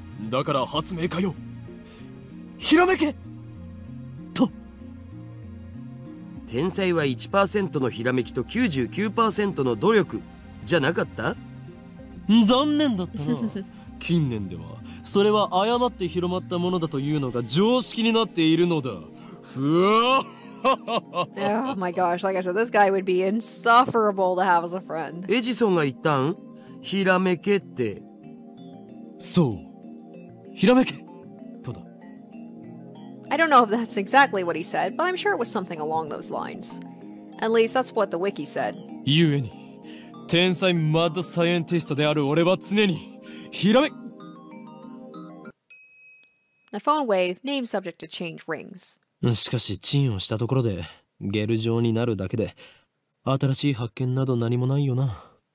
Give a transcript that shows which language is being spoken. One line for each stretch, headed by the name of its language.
Japanese: だから発明家よ。ひらめけ!と。天才は 1% のひらめきと 99% の努力。じゃなかった? 残念だったな。近年ではそれは誤って広まったものだというのが常識になっているのだ。ふわ
English: っ Oh my gosh, like I said, this guy would be insufferable to have as a friend.
Japanese: エジソンが言ったん?ひらめけって。そう。ひらめけとだ。
English: I don't know if that's exactly what he said, but I'm sure it was something along those lines. At least that's what the wiki said.
Japanese: ゆえに。天才マッドサイエンティストである俺は常にひらめ
English: The phone wave, name subject to change rings.
Japanese: しかしチンをしたところでゲル状になるだけで新しい発見など何もないよな。